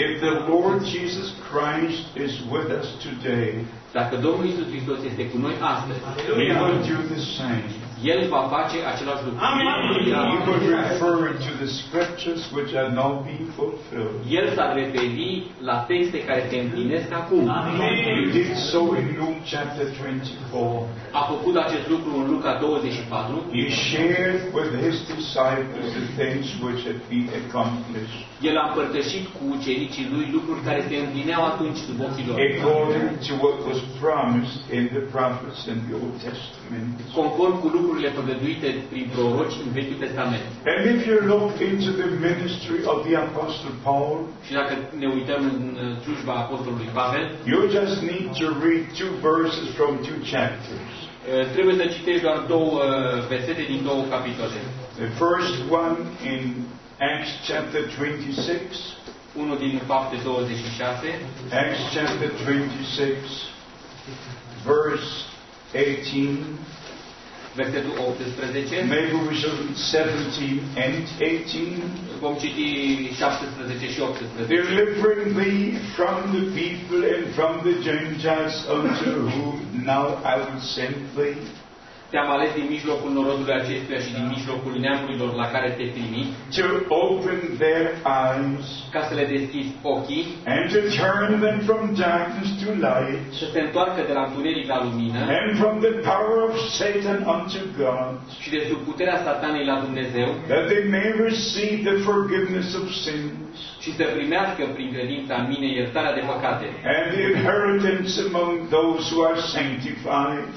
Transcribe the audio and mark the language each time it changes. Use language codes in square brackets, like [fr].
[en] If the Lord Jesus Christ is with us today, [ro] dacă Domnul Iisus Hristos este cu noi astăzi, [en] he will do the same. [ro] El va face același lucru. Amen. [en] He will refer to the scriptures which are now being fulfilled. [ro] El s-a referit la texte care se împlinesc acum. [en] He did so in Luke chapter 24. [ro] A făcut acest lucru în Luca 24. [en] He shared with his disciples the things which had been accomplished. [ro] El a împărtășit cu ucenicii lui lucruri care se împlineau atunci sub ochii lor. [en] According to what was promised in the prophets in the Old Testament. [ro] Conform cu lucrurile prevăduite prin proroci în Vechiul Testament. [en] And if you look into the ministry of the Apostle Paul, [ro] și dacă ne uităm în slujba apostolului Pavel, [en] you just need to read two verses from two chapters. [ro] Trebuie să citești doar două versete din două capitole. [en] The first one in Acts chapter 26. [ro] Unul din Fapte 26. [en] Acts chapter 26, verse 18. [ro] Versetul 18. [en] Maybe we should 17 and 18. [ro] Vom citi 17 și 18. [en] Delivering thee from the people and from the Gentiles unto whom now I will send thee. [ro] Te-am ales din mijlocul norodului acestuia și din mijlocul neamurilor la care te trimit. [en] To open their eyes. [ro] Ca să le deschizi ochii. [en] And to turn them from darkness to light. [ro] Să se întoarcă de la întuneric la lumină. [en] And from the power of Satan unto God. [ro] Și de sub puterea Satanei la Dumnezeu. [en] That they may receive the forgiveness of sins. [ro] Și să primească prin credința în mine iertarea de păcate. [en] And the inheritance among those who are sanctified.